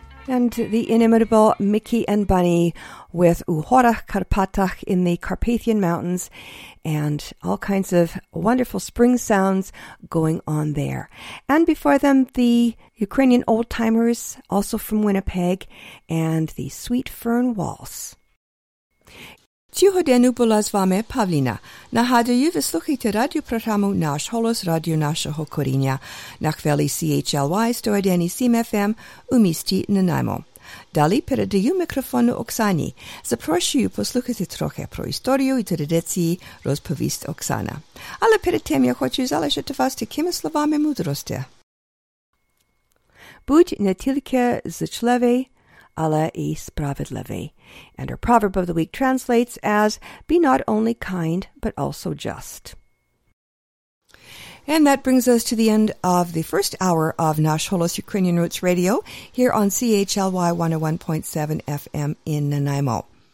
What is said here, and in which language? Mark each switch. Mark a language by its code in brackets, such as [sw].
[en] And the inimitable Mickey and Bunny with Uhorach Karpatach in the Carpathian Mountains and all kinds of wonderful spring sounds going on there. And before them, the Ukrainian Old Timers, also from Winnipeg, and the Sweet Fern Waltz. [uk] Цього дену була з вами Павліна. Нагадую, ви слухаєте радіопрограму «Наш голос» радіо нашого коріння на хвилі CHLY 101.7 FM у місті Нанаймо. Далі передаю мікрофон Оксані. Запрошую послухати трохи про історію і традиції, розповість Оксана. Але перед тим я хочу залишити вас такими словами мудрості. Будь не тільки зичливий, але і справедливий. [en] And our proverb of the week translates as, be not only kind, but also just. And that brings us to the end of the first hour of Nash Holos Ukrainian Roots Radio here on CHLY 101.7 FM in Nanaimo.